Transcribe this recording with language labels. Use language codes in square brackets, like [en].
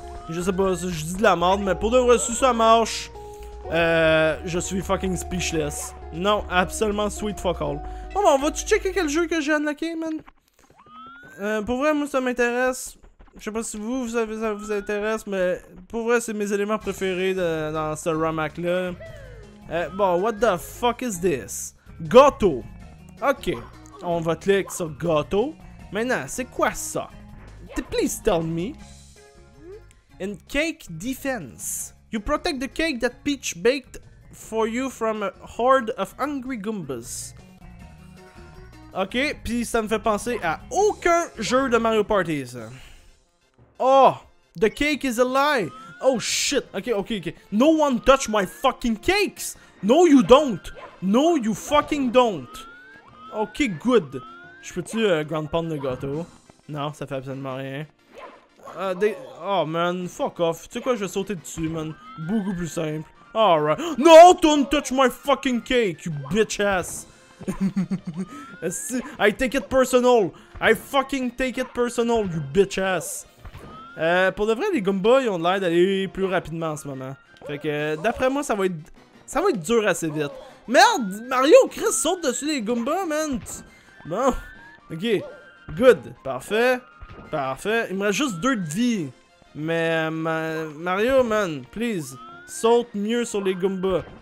[fr] Je sais pas, je dis de la merde, mais pour de vrai, si ça marche, je suis [en] fucking speechless. [fr] Non, absolument [en] sweet fuck all. [fr] Bon, bon, vas-tu checker quel jeu que j'ai unlocké, man? Pour vrai, moi, ça m'intéresse. Je sais pas si vous, ça vous intéresse, mais pour vrai, c'est mes éléments préférés dans ce ROM-hack-là. [en] Bon, what the fuck is this? [fr] Gâteau. Ok, on va cliquer sur gâteau. Maintenant, c'est quoi ça? [en] Please tell me. In cake defense. You protect the cake that Peach baked for you from a horde of hungry Goombas. [fr] Ok, puis ça me fait penser à aucun jeu de Mario Party, ça. [en] Oh, the cake is a lie. Oh shit, ok. No one touch my fucking cakes. No you don't. No you fucking don't. Ok, good. [fr] Je peux-tu ground pound le gâteau? Non, ça fait absolument rien. [en] Oh man, fuck off. [fr] Tu sais quoi, je vais sauter dessus, man. Beaucoup plus simple. Alright. [en] No, don't touch my fucking cake, you bitch ass. I take it personal. I fucking take it personal, you bitch ass. [fr] Pour de vrai, les Goombas, ils ont l'air d'aller plus rapidement en ce moment. Fait que, d'après moi, ça va être dur assez vite. Merde, Mario, Chris, saute dessus les Goombas, man. Bon, ok, good, parfait. Il me reste juste 2 de vie. Mais, Mario, man, please, saute mieux sur les Goombas.